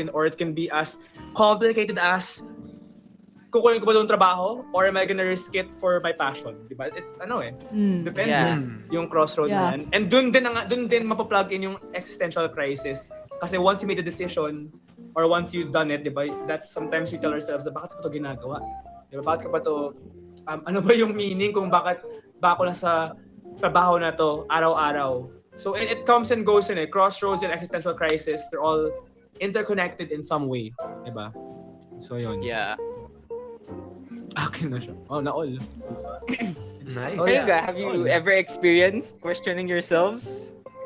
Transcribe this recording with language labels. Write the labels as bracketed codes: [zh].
[en] It can be as complicated as [tl] kukunin ko ba doon trabaho [en] or am I gonna risk it for my passion? [tl] Diba? It, ano eh. Mm, depends yeah. yung crossroad yeah. na. [en] And dun din mapa-plug in [tl] yung existential crisis. [en] Kasi once you made a decision or once you've done it, diba, that's sometimes you tell ourselves, [tl] bakit ko ito ginagawa? Diba? Bakit ko ba ito, ano ba yung meaning kung bakit ba ako nasa trabaho na to araw-araw? [en] So it comes and goes in it. Crossroads and existential crisis, they're all interconnected in some way. [tl] Diba? So yun. [en] Yeah. [tl] Akin na siya. Oh, na-all. [en] Nice. Oh, yeah. Hey, have you ever experienced questioning yourselves?